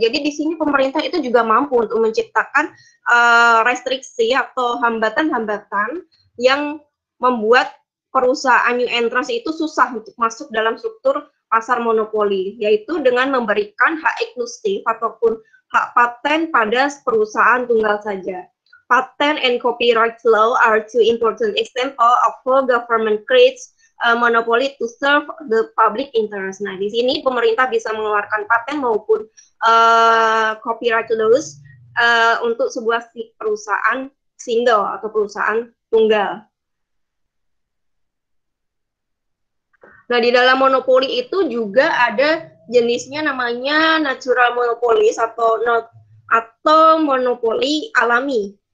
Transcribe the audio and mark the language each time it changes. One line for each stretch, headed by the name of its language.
Indonesian: Jadi di sini pemerintah itu juga mampu untuk menciptakan restriksi atau hambatan-hambatan yang membuat perusahaan new entrance itu susah untuk masuk dalam struktur pasar monopoli, yaitu dengan memberikan hak eksklusif ataupun hak paten pada perusahaan tunggal saja.
English: Patent and copyright law are two important examples of how government creates a monopoly to serve the public interest.
Indonesian: Nah, di sini pemerintah bisa mengeluarkan paten maupun copyright laws untuk sebuah perusahaan single atau perusahaan tunggal. Nah, di dalam monopoli itu juga ada jenisnya namanya natural monopolies atau monopoli alami.